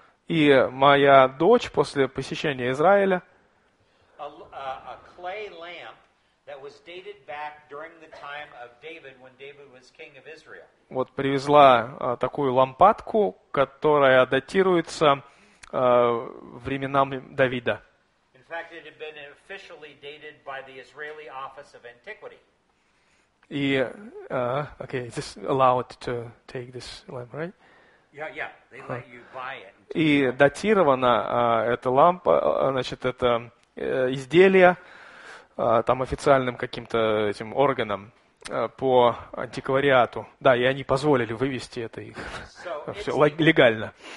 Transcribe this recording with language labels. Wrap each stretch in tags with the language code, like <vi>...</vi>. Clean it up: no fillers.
<ru>И моя дочь после посещения Израиля</ru> <en>a clay lamp that was dated back during the time of David, when David was king of Israel.</en> <ru>Вот привезла такую лампадку, которая датируется временам Давида.</ru> <en>In fact, it had been officially dated by the Israeli Office of Antiquity. И, okay, is this allowed to take this lamp, right? Yeah, they let you buy it.</en> <ru>И датирована эта лампа, значит, это изделие там официальным каким-то этим органом по антиквариату. Да, и они позволили вывести это их все легально.</ru>